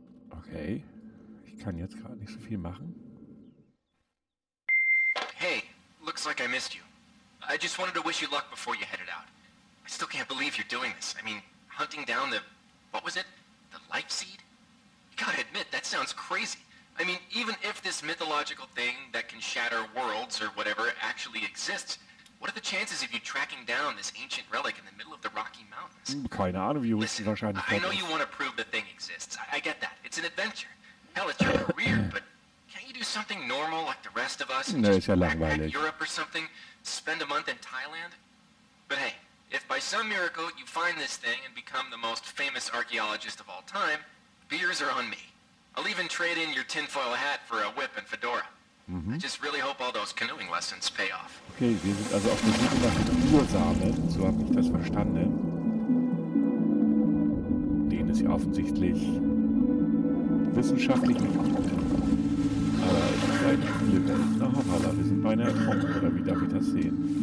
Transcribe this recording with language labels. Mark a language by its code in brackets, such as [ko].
[de] Okay, ich kann jetzt gerade nicht so viel machen. [en] Hey, looks like I missed you. I just wanted to wish you luck before you headed out. I still can't believe you're doing this. I mean, hunting down the, what was it? The life seed? You gotta admit, that sounds crazy. I mean, even if this mythological thing that can shatter worlds or whatever actually exists, what are the chances of you tracking down this ancient relic in the middle of the Rocky Mountains? [de] Keine Ahnung, wie wichtig wahrscheinlich. [en] Listen, I know you want to prove the thing exists. I get that. It's an adventure. Hell, it's your career, but can't you do something normal like the rest of us? [de] Ne, ist ja langweilig. [en] Europe or something? Spend a month in Thailand? But hey, if by some miracle you find this thing and become the most famous archaeologist of all time, beers are on me. I'll even trade in your tinfoil hat for a whip and fedora. Mhm. I just really hope all those canoeing lessons pay off. [de] Okay, wir sind also auf der Suche nach dem Ursamen, so habe ich das verstanden. Den es ja offensichtlich wissenschaftlich nicht gibt. Aber ich bleibe hier bei einer Hoppala, wir sind beinahe ertrunken, oder wie darf ich das sehen?